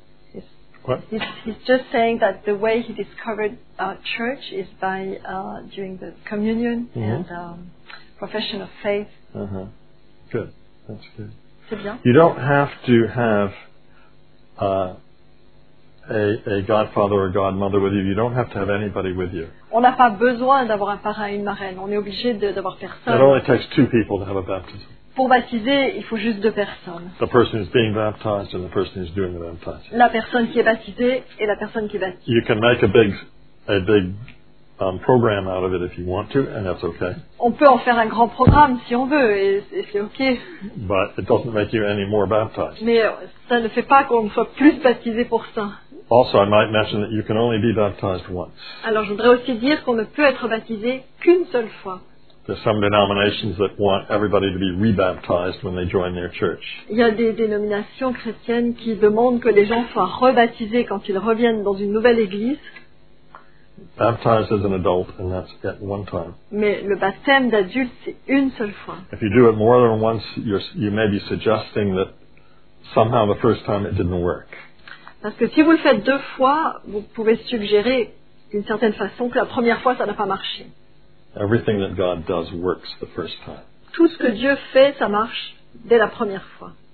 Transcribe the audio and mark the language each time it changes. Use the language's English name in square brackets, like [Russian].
[English] He's just saying that the way he discovered our church is by doing the communion mm-hmm. and profession of faith. Uh-huh. Good. That's good. [French] C'est bien. [English] You don't have to have a godfather or godmother with you. You don't have to have anybody with you. [French] On n'a pas besoin d'avoir un parrain et une marraine. On est obligé d'avoir personne. [English] It only takes two people to have a baptism. [French] Pour baptiser, il faut juste deux personnes. [English] The person who's being baptized and the person who's doing the baptizing. [French] La personne qui est baptisée et la personne qui est baptisée. [English] You can make a big program out of it if you want to, and that's okay. [French] On peut en faire un grand programme si on veut, et c'est okay. [English] But it doesn't make you any more baptized. [French] Mais ça ne fait pas qu'on soit plus baptisé pour ça. [English] Also, I might mention that you can only be baptized once. [French] Alors, je voudrais aussi dire qu'on ne peut être baptisé qu'une seule fois. [English] There's some denominations that want everybody to be rebaptized when they join their church. [French] Il y a des dénominations chrétiennes qui demandent que les gens soient rebaptisés quand ils reviennent dans une nouvelle église. [English] baptized as an adult, and that's at one time. [French] Mais le baptême d'adulte, c'est une seule fois. [English] If you do it more than once, you may be suggesting that somehow the first time it didn't work. [French] Parce que si vous le faites deux fois, vous pouvez suggérer d'une certaine façon que la première fois ça n'a pas marché. [English] Everything that God does works the first time. [French] Tout ce que Dieu fait, ça marche dès la première fois.